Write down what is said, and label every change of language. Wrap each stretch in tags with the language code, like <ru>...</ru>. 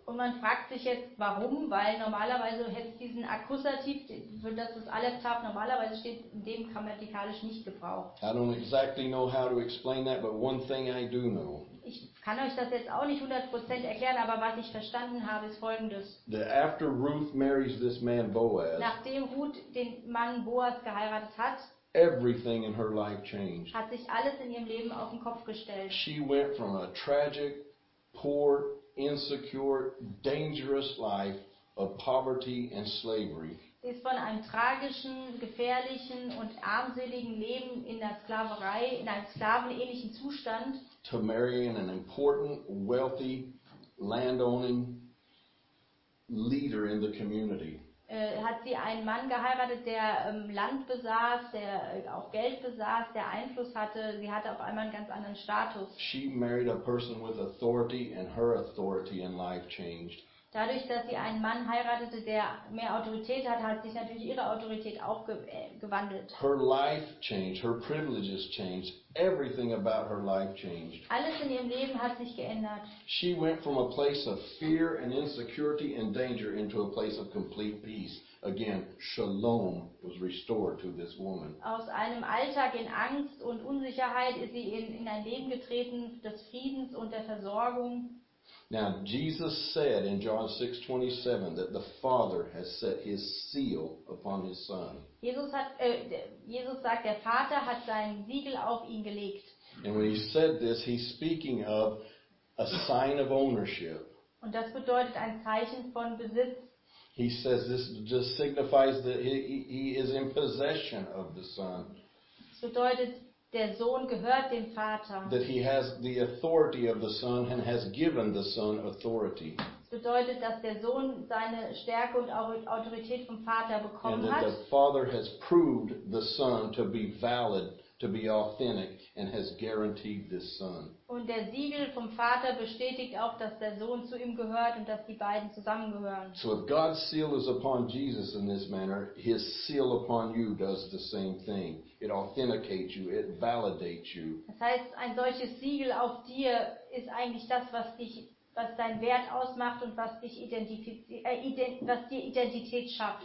<de>Und man fragt sich jetzt, warum, weil normalerweise hätte es diesen Akkusativ, für das das Aleph Tav normalerweise steht, in dem grammatikalisch nicht gebraucht.</de> <en>I don't exactly know how to explain that, but one thing I do know.</en> <de>Ich kann euch das jetzt auch nicht 100% erklären, aber was ich verstanden habe, ist Folgendes.</de> <en>After Ruth marries this man Boaz,</en> <de>nachdem Ruth den Mann Boaz geheiratet hat,</de> <en>everything in her life changed.</en> <de>Hat sich alles in ihrem Leben auf den Kopf gestellt.</de> <en>She went from a tragic, poor, insecure, dangerous life of poverty and slavery.</en> <de>Sie ist von einem tragischen, gefährlichen und armseligen Leben in der Sklaverei, in einem sklavenähnlichen Zustand,</de> <en>to marrying an important, wealthy, landowning leader in the community.</en> <de>Hat sie einen Mann geheiratet, der Land besaß, der auch Geld besaß, der Einfluss hatte. Sie hatte auf einmal einen ganz anderen Status.</de> <en>She married a person with authority and her authority in life changed.</en> <de>Dadurch, dass sie einen Mann heiratete, der mehr Autorität hat, hat sich natürlich ihre Autorität auch gewandelt.</de> <en>Her life changed, her privileges changed, everything about her life changed.</en> <de>Alles in ihrem Leben hat sich geändert.</de> <en>She went from a place of fear and insecurity and danger into a place of complete peace. Again, shalom was restored to this woman.</en> <de>Aus einem Alltag in Angst und Unsicherheit ist sie in ein Leben getreten des Friedens und der Versorgung.</de> <en>Now Jesus said in John 6:27 that the Father has set his seal upon his son.</en> <de>Jesus sagt, der Vater hat sein Siegel auf ihn gelegt.</de> <en>And when he said this, he's speaking of a sign of ownership.</en> <de>Und das bedeutet ein Zeichen von Besitz.</de> <en>He says this just signifies that he is in possession of the son.</en> <de>Das bedeutet, der Sohn gehört dem Vater.</de> <en>That he has the authority of the Son and has given the Son authority.</en> <de>Das bedeutet, dass der Sohn seine Stärke und Autorität vom Vater bekommen</de> <en>and</en> <de>hat.</de> <en>And the Father has proved the Son to be valid, to be authentic, and has guaranteed this Son.</en> <de>Und der Siegel vom Vater bestätigt auch, dass der Sohn zu ihm gehört und dass die beiden zusammengehören.</de> <en>So if God's seal is upon Jesus in this manner, his seal upon you does the same thing. It authenticates you, it validates you.</en> <de>Das heißt, ein solches Siegel auf dir ist eigentlich das, was dich, was deinen Wert ausmacht und was dich was dir Identität schafft.</de>